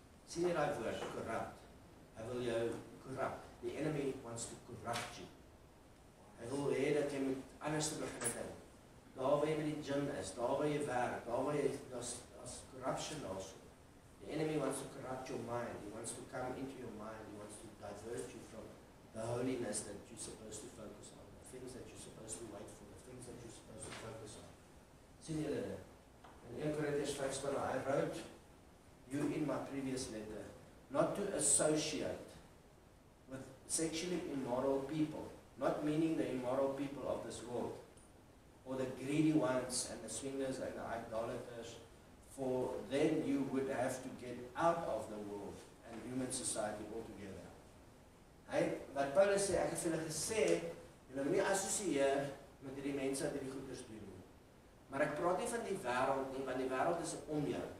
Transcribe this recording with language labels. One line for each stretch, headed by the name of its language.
Afrikaans: Sien jy die woord, corrupt. Hy wil jou corrupt.
English: The enemy wants to corrupt you.
Afrikaans: Hy wil hê dat jy moet anders te begin in. Daar waar jy by die gym is, daar waar jy werk, daar waar jy, daar's corruption also.
English: The enemy wants to corrupt your mind. He wants to come into your mind. He wants to divert you from the holiness that you're supposed to focus on. The things that you're supposed to wait for. The things that you're supposed to focus on.
Afrikaans: Sien jy dit? In 1 Korintiërs 5 staan,
English: I wrote you in my previous letter not to associate with sexually immoral people. Not meaning the immoral people of this world. Or the greedy ones and the swingers and the idolaters. For then you would have to get out of the world and human society altogether.
Afrikaans: Hy, wat Paulus sê, ek het vir hulle gesê, julle moet nie assosieer met die mense wat die goeders doen. Maar ek praat nie van die wêreld nie, want die wêreld is om jou.